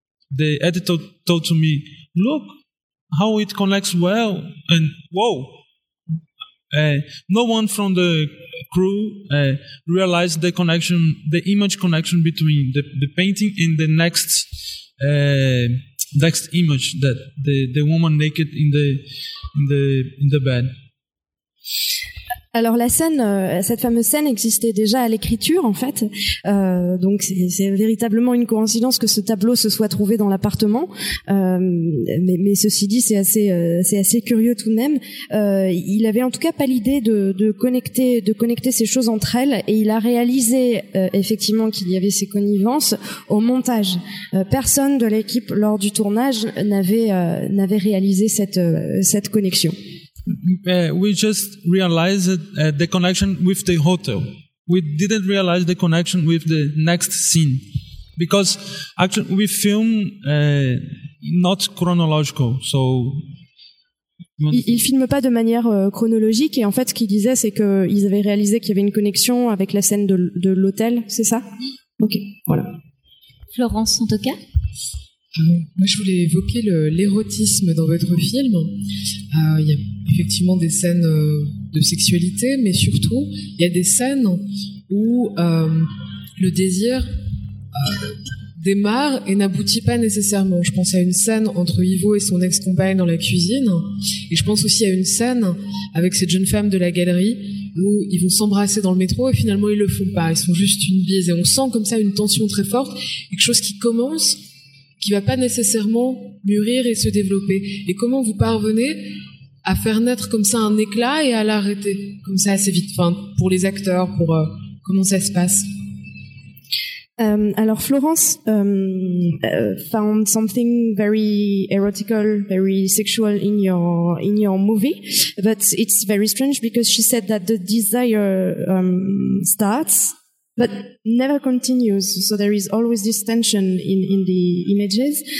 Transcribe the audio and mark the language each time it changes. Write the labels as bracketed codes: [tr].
[en] The editor told to me, look how it connects well, and whoa, no one from the crew realized the connection, the image connection between the painting and the next image, that the woman naked in the bed. [fr] Alors la scène, cette fameuse scène existait déjà à l'écriture en fait, donc c'est véritablement une coïncidence que ce tableau se soit trouvé dans l'appartement. Mais ceci dit, c'est assez curieux tout de même. Il avait en tout cas pas l'idée de connecter ces choses entre elles, et il a réalisé effectivement qu'il y avait ces connivences au montage. Personne de l'équipe lors du tournage n'avait réalisé cette connexion. [en] We just realized the connection with the hotel. We didn't realize the connection with the next scene, because actually we film not chronological. So [fr] il filme pas de manière chronologique, et en fait, ce qu'il disait, c'est qu'ils avaient réalisé qu'il y avait une connexion avec la scène de l'hôtel. C'est ça? Ok, voilà. Florence Santoca. Moi, je voulais évoquer l'érotisme dans votre film. Il y a effectivement des scènes de sexualité, mais surtout, il y a des scènes où le désir démarre et n'aboutit pas nécessairement. Je pense à une scène entre Ivo et son ex-compagne dans la cuisine, et je pense aussi à une scène avec cette jeune femme de la galerie où ils vont s'embrasser dans le métro et finalement, ils le font pas. Ils sont juste une bise, et on sent comme ça une tension très forte, quelque chose qui commence, qui va pas nécessairement mûrir et se développer. Et comment vous parvenez à faire naître comme ça un éclat et à l'arrêter comme ça assez vite, enfin, pour les acteurs, pour comment ça se passe? [en] Alors Florence found something very erotical, very sexual in your movie, but it's very strange because she said that the desire starts but never continues. So there is always this tension in the images.